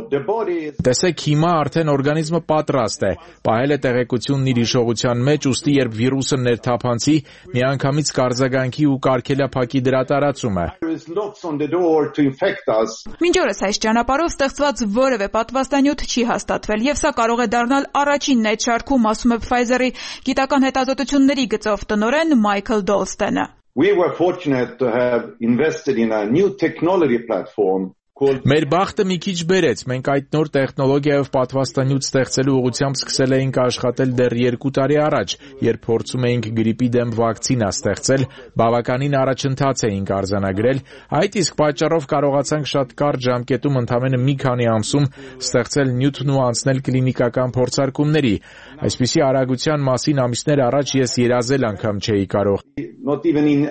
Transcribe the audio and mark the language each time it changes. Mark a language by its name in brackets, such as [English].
[Armenian] Տեսեք, հիմա արդեն օրգանիզմը պատրաստ է, պահել է տեղեկությունն իր հիշողության մեջ, ուստի երբ վիրուսը ներթափանցի, միանգամից կարզագանքի ու կարկելափակի դրա տարածումը։ Մինչ օրս այս ճանապարհով ստեղծված որևէ պատվաստանյութ չի հաստատվել, և սա կարող է դառնալ առաջինն այդ շարքում, ասում է Pfizer-ի գիտական հետազոտությունների գծով տնօրեն Michael Dolstene։ [English] We were fortunate to have invested in a new technology platform. [Armenian] Մեր բախտը մի քիչ բերեց, մենք այդ նոր տեխնոլոգիայով պատվաստանյութ ստեղծելու ուղղությամբ սկսել էինք աշխատել դեռ 2 տարի առաջ, երբ փորձում էինք գրիպի դեմ վակցինա ստեղծել, բավականին առաջընթաց էինք արձանագրել, այդ իսկ պատճառով կարողացանք շատ կարճ ժամկետում, ընդամենը մի քանի ամսում, ստեղծել նյութն ու անցնել կլինիկական փորձարկումների։ Այսպիսի արագության մասին ամիսներ առաջ ես երազել անգամ չէի կարող։